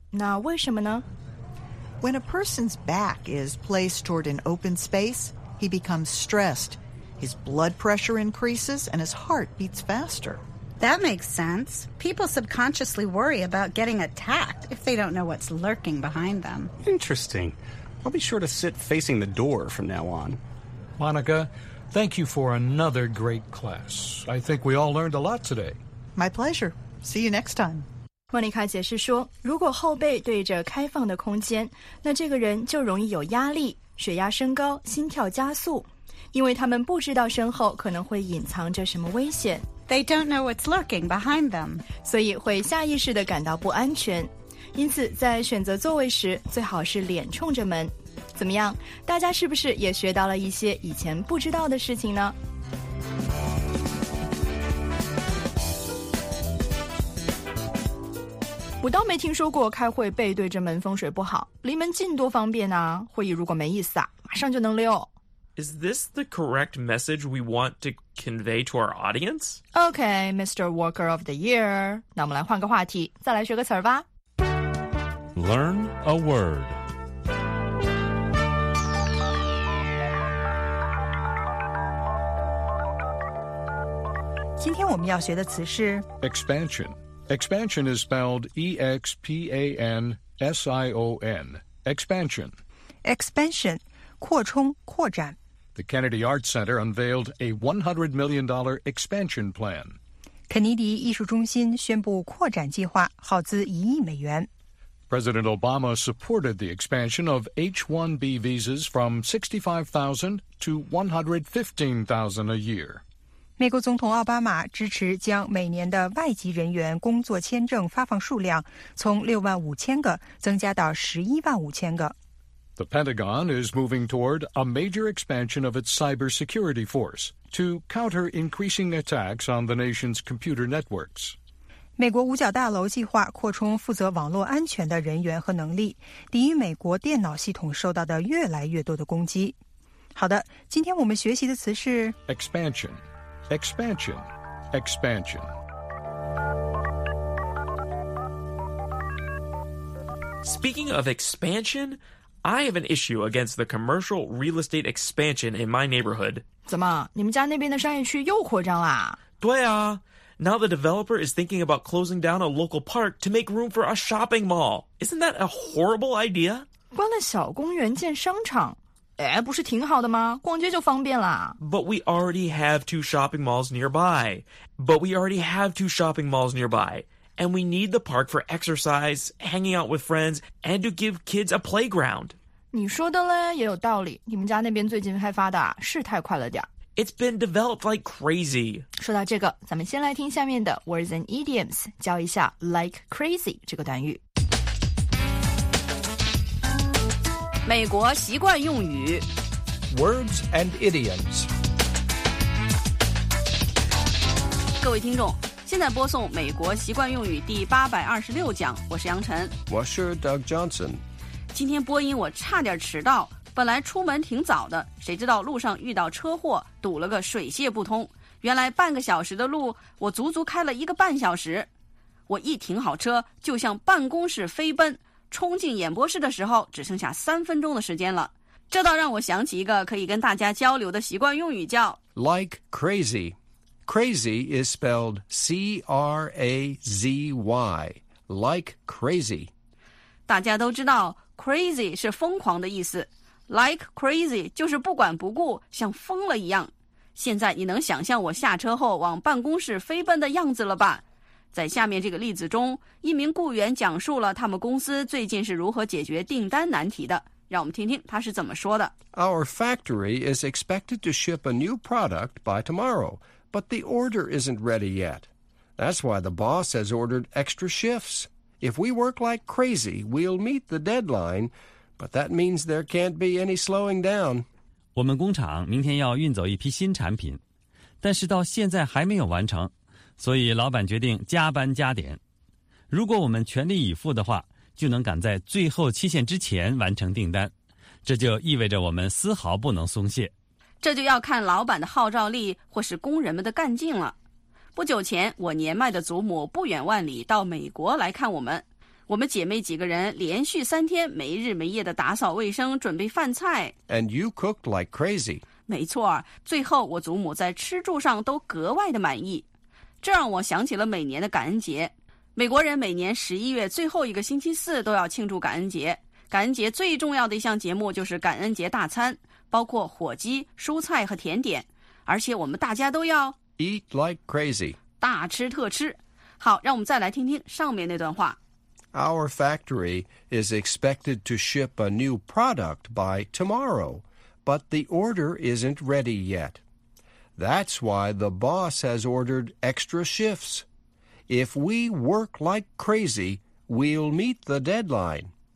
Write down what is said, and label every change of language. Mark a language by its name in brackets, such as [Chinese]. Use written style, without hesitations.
[Chinese] 那为什么呢？ [English] When a person's back is placed toward an open space, he becomes stressed. His blood pressure increases and his heart beats faster. That makes sense. People subconsciously worry about getting attacked if they don't know what's lurking behind them. Interesting. I'll be sure to sit facing the door from now on. Monica, thank you for another great class. I think we all learned a lot today. My pleasure. See you next time. [Chinese] 莫妮卡解释说，如果后背对着开放的空间，那这个人就容易有压力，血压升高，心跳加速，因为他们不知道身后可能会隐藏着什么危险。 [English] They don't know what's lurking behind them. [Chinese] 所以会下意识地感到不安全。因此在选择座位时最好是脸冲着门。怎么样？大家是不是也学到了一些以前不知道的事情呢？我倒没听说过开会背对着门风水不好，离门近多方便啊，会议如果没意思啊，马上就能溜。 [English] Is this the correct message we want to convey to our audience? Okay, Mr. Worker of the Year. [Chinese] 那我们来换个话题，再来学个词儿吧。 [English] Learn a word. Today we're going to learn the word expansion. Expansion is spelled E-X-P-A-N-S-I-O-N. Expansion. [Chinese] Expansion. 扩充、扩展。 [English] The Kennedy Arts Center unveiled a $100 million expansion plan. [Chinese] 肯尼迪艺术中心宣布扩展计划，耗资一亿美元。 [English] President Obama supported the expansion of H-1B visas from 65,000 to 115,000 a year. [Chinese] 美国总统奥巴马支持将每年的外籍人员工作签证发放数量从65,000个增加到115,000个。 [English] The Pentagon is moving toward a major expansion of its cybersecurity force to counter increasing attacks on the nation's computer networks. [Chinese] 美国五角大楼计划扩充负责网络安全的人员和能力，抵御美国电脑系统受到的越来越多的攻击。好的，今天我们学习的词是 [English] expansion, expansion, expansion. Speaking of expansion,I have an issue against the commercial real estate expansion in my neighborhood. [Chinese] 怎么，你们家那边的商业区又扩张啦？对啊。 [English] Now the developer is thinking about closing down a local park to make room for a shopping mall. Isn't that a horrible idea? [Chinese] 关了小公园建商场，哎，不是挺好的吗？逛街就方便啦。 [English] But we already have two shopping malls nearby. But we already have two shopping malls nearby. And we need the park for exercise, hanging out with friends, and to give kids a playground. [Chinese] 你说的嘞也有道理，你们家那边最近开发的是太快了点。 [English] It's been developed like crazy. [Chinese] 说到这个，咱们先来听下面的 [English] words and idioms, [Chinese] 教一下 like crazy 这个短语。美国习惯用语 [English] Words and idioms. [Chinese] 各位听众现在播送美国习惯用语第826讲，我是杨晨，我是 Doug Johnson。今天播音我差点迟到，本来出门挺早的，谁知道路上遇到车祸，堵了个水泄不通。原来半个小时的路我足足开了一个半小时，我一停好车就向办公室飞奔，冲进演播室的时候只剩下3分钟的时间了。这倒让我想起一个可以跟大家交流的习惯用语，叫 [English] Like crazycrazy is spelled C-R-A-Z-Y, like crazy. [Chinese] 大家都知道 crazy 是疯狂的意思， like crazy 就是不管不顾，像疯了一样。现在你能想象我下车后往办公室飞奔的样子了吧？在下面这个例子中，一名雇员讲述了他们公司最近是如何解决订单难题的。让我们听听他是怎么说的。 [English] Our factory is expected to ship a new product by tomorrow. But the order isn't ready yet. That's why the boss has ordered extra shifts. If we work like crazy, we'll meet the deadline. But that means there can't be any slowing down. [Chinese] 我们工厂明天要运走一批新产品，但是到现在还没有完成，所以老板决定加班加点。如果我们全力以赴的话，就能赶在最后期限之前完成订单，这就意味着我们丝毫不能松懈。这就要看老板的号召力或是工人们的干劲了。不久前，我年迈的祖母不远万里到美国来看我们。我们姐妹几个人连续3天没日没夜的打扫卫生，准备饭菜。 [English] And you cooked like crazy. [Chinese] 没错，最后我祖母在吃住上都格外的满意。这让我想起了每年的感恩节。美国人每年十一月最后一个星期四都要庆祝感恩节。感恩节最重要的一项节目就是感恩节大餐，包括火鸡、蔬菜和甜点，而且我们大家都要 [English] eat like crazy， [Chinese] 大吃特吃。好，让我们再来听听上面那段话。 [English] Our factory is expected to ship a new product by tomorrow, but the order isn't ready yet. That's why the boss has ordered extra shifts. If we work like crazy, we'll meet the deadline.